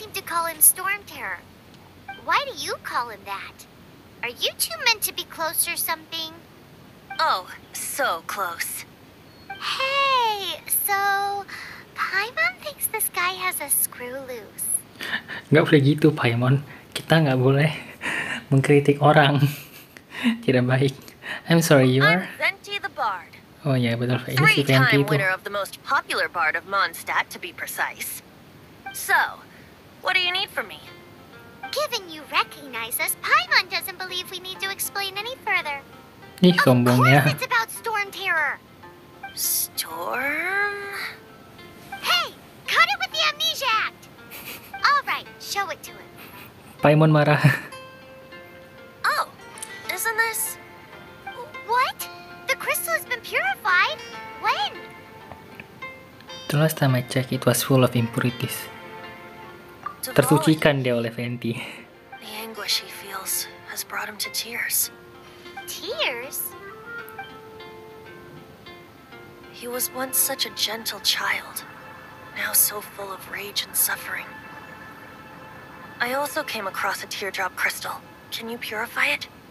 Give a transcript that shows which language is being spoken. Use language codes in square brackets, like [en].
[en] Call him Storm Terror. Why do you call him that? Are you two meant to be close or something? Oh, so close. Hey, so Paimon thinks this guy has a screw loose. [id] Gak boleh gitu, Paimon. Kita gak boleh mengkritik orang. Tidak baik. [en] I'm sorry, you are? I'm Venti the Bard. [id] Oh iya, betul. Ini si Venti itu. [en] Three-time winner of the most popular bard of Mondstadt, to be precise. So, what do you need from me? Given you recognize us, Paimon doesn't believe we need to explain any further. [id] Ih, sombong ya. [en] Of course it's about storm terror. Storm? Hey, cut it with the amnesia act! Alright, show it to him. [id] Paimon marah. [en] Oh, isn't this... What? The crystal has been purified? When? The last time I checked, it was full of impurities. [id] Tersucikan dia oleh Venti. [en] The anguish he feels has brought him to tears. Tears? He was once such a gentle child, now so full of rage and suffering. I also came across a teardrop crystal. Can you purify it?